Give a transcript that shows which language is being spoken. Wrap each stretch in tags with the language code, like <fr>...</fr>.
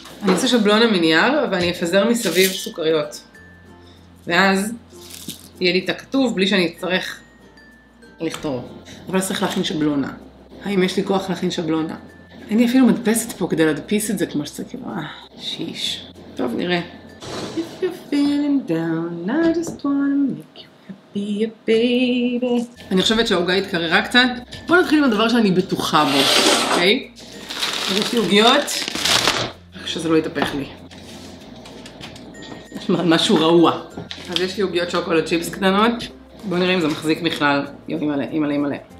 <he>אני אעשה שבלונה מנייר, ואני אפזר מסביב סוכריות. ואז יהיה לי את הכתוב בלי שאני אצטרך לכתוב. אבל צריך להכין שבלונה. האם יש לי כוח להכין שבלונה? אין לי אפילו מדפסת פה כדי להדפיס את זה כמו שצריך. שיש. טוב, נראה.</he> <en>If you're feeling down, I just wanna make you happy, baby.</en> <he>אני חושבת שהעוגה התקררה קצת. בואו נתחיל עם הדבר שאני בטוחה בו, אוקיי? אז יש לי עוגיות. שזה לא יתהפך לי. משהו רעוע. אז יש לי עוגיות שוקולד צ'יפס קטנות. בואו נראה אם זה מחזיק בכלל. יום ימלא, ימלא, ימלא.</he>